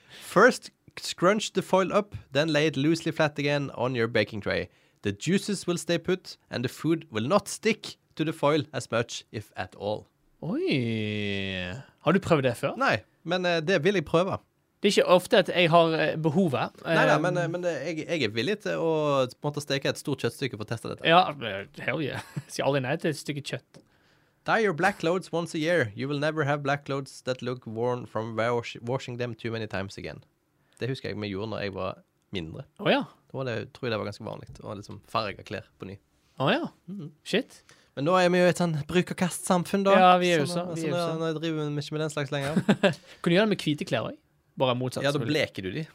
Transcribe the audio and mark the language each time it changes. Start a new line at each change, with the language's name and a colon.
English: First, scrunch the foil up, then lay it loosely flat again on your baking tray. The juices will stay put, and the food will not stick to the foil as much, if at all.
Norwegian: Oi. Har du prøvd det før? Nei, men det vil jeg prøve. Det er ikke ofte at jeg har behovet. Neida, men jeg er villig til å på en måte steke et stort kjøttstykke for å teste dette. Ja,
English: hell yeah.
Norwegian: Sier aldri nei til et stykke kjøtt.
English: Dye your black clothes once a year. You will never have black clothes that look worn from washing them too many times again.
Norwegian: Det husker jeg vi gjorde når jeg var mindre. Åja. Oh, da tror jeg det var ganske vanlig. Å ha liksom farget klær på ny. Åja. Oh, mm-hmm. Shit. Men nå er vi jo et sånn brukerkast-samfunn da. Ja, vi er jo så. Nå driver vi ikke med den slags lenger. Kunne du gjøre det med hvite klær også? Bare motsatt. Ja, da bleker du de.